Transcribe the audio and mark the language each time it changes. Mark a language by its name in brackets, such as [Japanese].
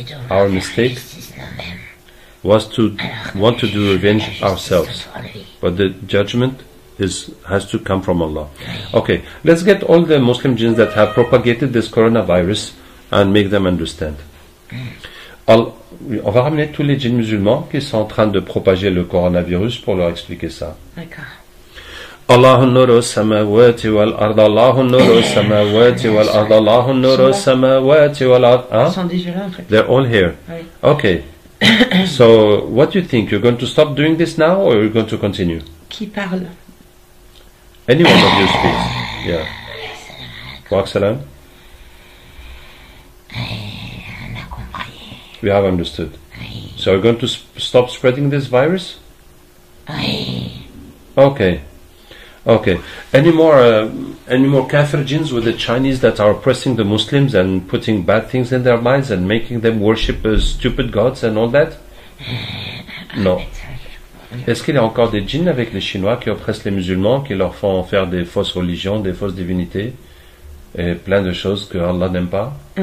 [English] Our mistake was to want to do revenge ourselves. But the judgment has to come from Allah. Okay, let's get all the Muslim jinns that have propagated this coronavirus and make them understand. [French] On va ramener tous les jinns musulmans qui sont en train de propager le coronavirus pour leur expliquer ça. [Arabic] الله نور السماوات والأرض الله نور السماوات والأرض الله نور السماوات والأرض [English] They're all here. Okay. So what do you think? You're going to stop doing this now or you're going to continue? [French] Qui parle? [English] Anyone of you speaks. Yeah. Waq salam. We have understood. So you're going to stop spreading this virus? Okay. Okay, any more kafir jinns with the Chinese that are oppressing the Muslims and putting bad things in their minds and making them worship stupid gods and all that? No. [French] Est-ce qu'il y a encore des jinns avec les Chinois qui oppressent les musulmans, qui leur font faire des fausses religions, des fausses divinités, et plein de choses que Allah n'aime pas?